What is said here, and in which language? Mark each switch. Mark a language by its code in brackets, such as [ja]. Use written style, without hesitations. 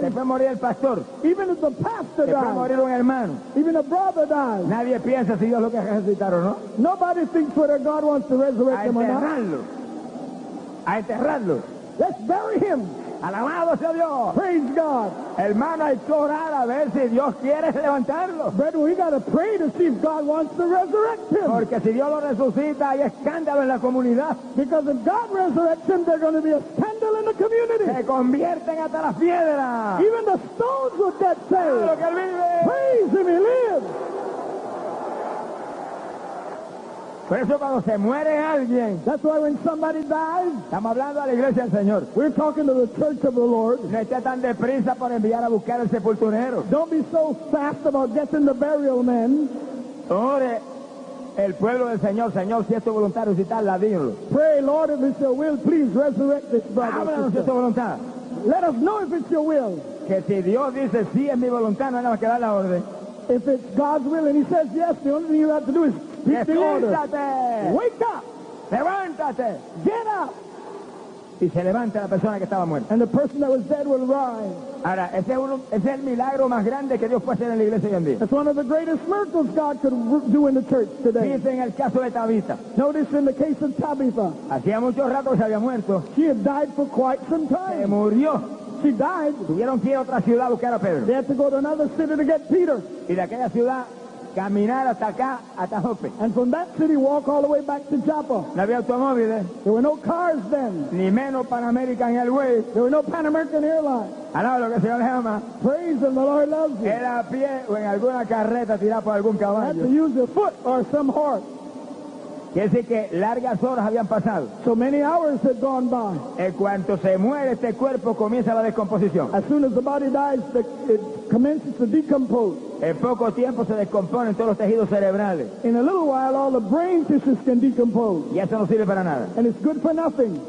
[es] se puede morir el pastor. [en] Even if the pastor [es] se [en] dies, [es] puede morir un hermano. [en] Even a brother dies, [es] nadie piensa si Dios lo quiere resucitar o no. [en] Nobody thinks whether God wants to resurrect him or not. [es] A enterrarlo. A enterrarlo. [en] Let's bury him. [es] Alabado sea Dios. [en] Praise God. [es] Hermano, hay que orar a ver si Dios quiere levantarlo. [en] But we gotta pray to see if God wants to resurrect him. [es] Porque si Dios lo resucita, hay escándalo en la comunidad. [en] Because if God resurrects him, there's going to be a scandal in the community. [es] Se convierten hasta las piedras. [en] Even the stones would get saved. [es] Claro que él vive. [en] Praise him, he lives. [es] Por eso cuando se muere alguien, [en] that's why when somebody dies, [es] estamos hablando a la iglesia del Señor. [en] We're talking to the church of the Lord. [es] No esté tan deprisa por enviar a buscar al sepulturero. [en] Don't be so fast about getting the burial men. [es] Ore el pueblo del Señor, Señor, si es tu voluntad resucitarla, dígalo. [en] Pray, Lord, if it's your will, please resurrect this brother. [es] Háblanos si es tu voluntad. [en] Let us know if it's your will. [es] Que si Dios dice sí es mi voluntad, no hay nada más que dar la orden. [en] If it's God's will and he says yes, the only thing you have to do is speak the order. Wake up. [es] Levántate. [en] Get up. [es] Y se levanta la persona que estaba muerta. [en] And the person that was dead will rise. [es] Ahora, ese es el milagro más grande que Dios puede hacer en la iglesia hoy en día. [en] It's one of the greatest miracles God could do in the church today. [es] Fíjense en el caso de Tabitha. [en] Notice in the case of Tabitha. [es] Hacía mucho rato que se había muerto. [en] She had died for quite some time. [es] Se murió. [en] She died. [es] Tuvieron que ir a otra ciudad a buscar a Pedro. [en] They had to go to another city to get Peter. [es] Y de aquella ciudad caminar hasta acá, hasta Jope. [en] And from that city walk all the way back to Joppa. [es] No había automóviles. [en] There were no cars then. [es] Ni menos Pan American Airways. [en] There were no Pan American Airlines. [es] Alaba lo que el Señor llama. [en] Praise him, the Lord loves you. [es] Era a pie o en alguna carreta tirada por algún caballo. [en] Had to use a foot or some horse. [es] Quiere decir que largas horas habían pasado. [en] So many hours had gone by. [es] En cuanto se muere este cuerpo, comienza la descomposición. [en] As soon as the body dies, it commences to decompose. [es] En poco tiempo se descomponen todos los tejidos cerebrales. [en] In a little while, all the brain tissues can decompose. [es] Y eso no sirve para nada. [en] And it's good for nothing.